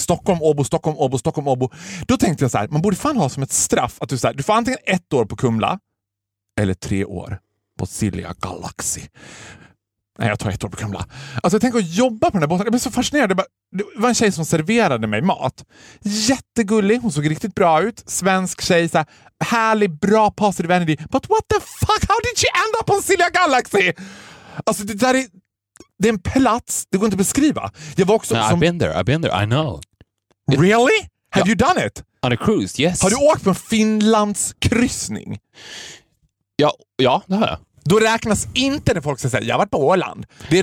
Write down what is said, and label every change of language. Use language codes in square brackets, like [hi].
[sv] Stockholm, Åbo, Stockholm, Åbo, Stockholm, Åbo. Då tänkte jag så här, man borde fan ha som ett straff att du så här, du får antingen ett år på Kumla eller tre år på Silja Galaxy. Nej, jag tar ett år på Kumla. Alltså jag tänker att jobba på den där båten. Jag blev så fascinerad. Det var en tjej som serverade mig mat. Jättegullig. Hon såg riktigt bra ut. Svensk tjej. Så här, härlig, bra [en] positive energy. But what the fuck? How did she end up on Silja Galaxy? [sv] Alltså det där är... Det är en plats. Det går inte att beskriva. Jag var också... [en] No, I've been there. I know. Really? Have you done it? On a cruise, yes. [sv] Har du åkt på en Finlands kryssning? Ja, det har jag. Då räknas inte när folk säger jag har varit på Åland. Det